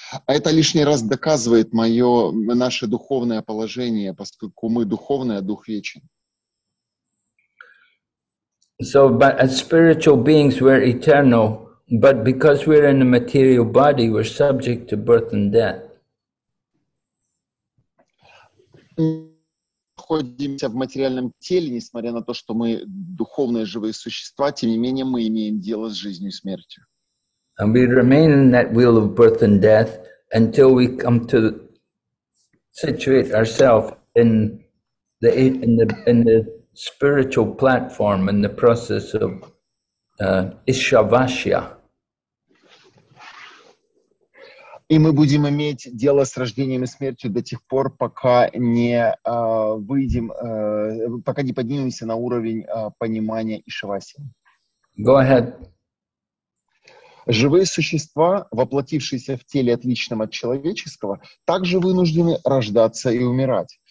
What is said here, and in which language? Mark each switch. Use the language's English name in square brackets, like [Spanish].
[Russian] Это лишний раз доказывает мое, наше духовное положение, поскольку мы духовные, а дух вечен. [English] So, but as spiritual beings, we're eternal, but because we're in a material body, we're subject to birth and death. [Russian] Находимся в материальном теле, несмотря на то, что мы духовные живые существа, тем не менее мы имеем дело с жизнью и смертью. [English] And we remain in that wheel of birth and death until we come to situate ourselves in the spiritual platform in the process of ishavashya. [Russian] И мы будем иметь дело с рождением и смертью до тех пор, пока не выйдем, пока не поднимемся на уровень понимания Ишваси. [English] Go ahead. [Russian] Живые существа, воплотившиеся в теле, отличном от человеческого, также вынуждены рождаться и умирать.